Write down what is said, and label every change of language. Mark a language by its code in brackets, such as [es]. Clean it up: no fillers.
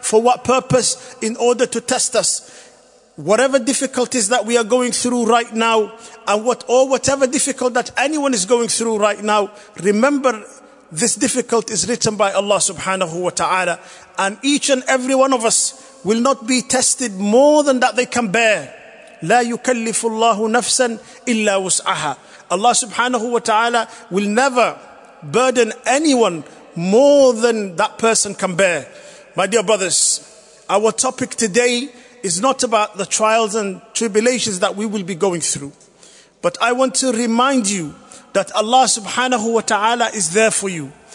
[en] For what purpose? In order to test us. Whatever difficulties that we are going through right now, and whatever difficult that anyone is going through right now, remember, this difficult is written by Allah subhanahu wa ta'ala. And each and every one of us will not be tested more than that they can bear. [ar] لا يكلف الله نفسا إلا وسعها. [en] Allah subhanahu wa ta'ala will never burden anyone more than that person can bear. My dear brothers, our topic today is not about the trials and tribulations that we will be going through. But I want to remind you that Allah subhanahu wa ta'ala is there for you.